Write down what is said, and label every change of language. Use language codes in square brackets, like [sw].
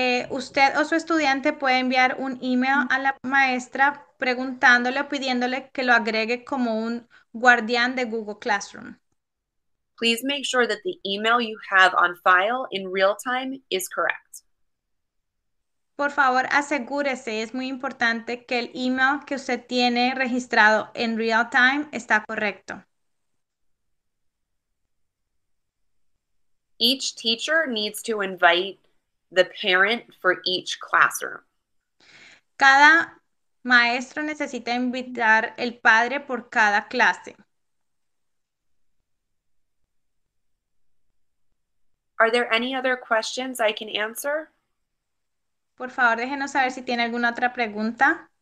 [es] Usted o su estudiante puede enviar un email a la maestra preguntándole o pidiéndole que lo agregue como un guardián de Google Classroom. [en] Please make sure that the email you have on file in real time is correct. [es] Por favor, asegúrese, es muy importante que el email que usted tiene registrado en real time está correcto. [en] Each teacher needs to invite the parent for each classroom. [es] Cada maestro necesita invitar el padre por cada clase. [en] Are there any other questions I can answer? [es] Por favor, déjenos saber si tiene alguna otra pregunta.